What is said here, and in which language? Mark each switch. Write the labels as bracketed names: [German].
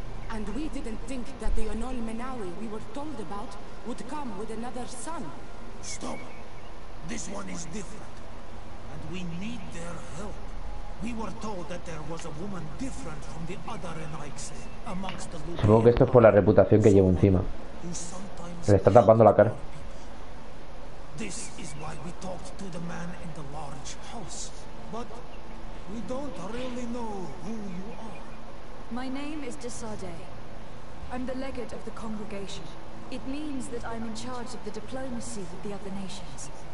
[English] And we didn't think that the Onol Menawi we were told about would come with another son. Stop. This one is different. And we need their help. We were told that there was a woman different from the other Enrikes amongst the Luminis. [Spanish] Supongo que esto es por la reputación que llevo encima. Se le está tapando la cara. [English] This is why we talked to the man in the large house. But we don't really know who you are. My name is Desade. I'm the legate of the congregation. It means that I'm in charge of the diplomacy with the other nations.